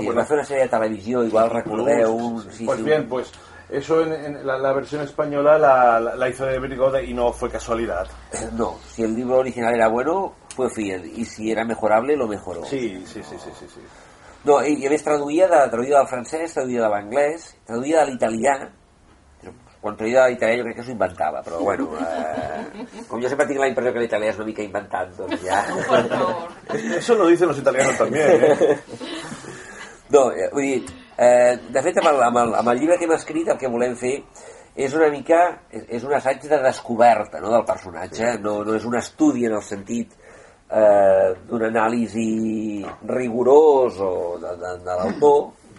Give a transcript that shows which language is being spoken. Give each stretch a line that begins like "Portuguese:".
Spanish: Sí, bueno, fue una serie de televisión, igual recordé. Pues eso en la versión española la hizo de Brigode y no fue casualidad. No, si el libro original era bueno... fue fiel, y si era mejorable, lo mejoró. Sí.
Catalan: No, y a més traduïa del francès, traduïa de l'anglès, traduïa de l'italià. Quan traduïa de l'italià jo crec que s'ho inventava, però bueno, com jo sempre tinc la impressió que l'italià és una mica inventat, doncs ja...
Spanish: Eso lo dicen los italianos también, ¿eh?
Catalan: No, vull dir, de fet, amb el llibre que hem escrit, el que volem fer... és una mica, és un assaig de descoberta, no, del personatge, no és un estudi en el sentit d'un anàlisi rigorós o de l'autor.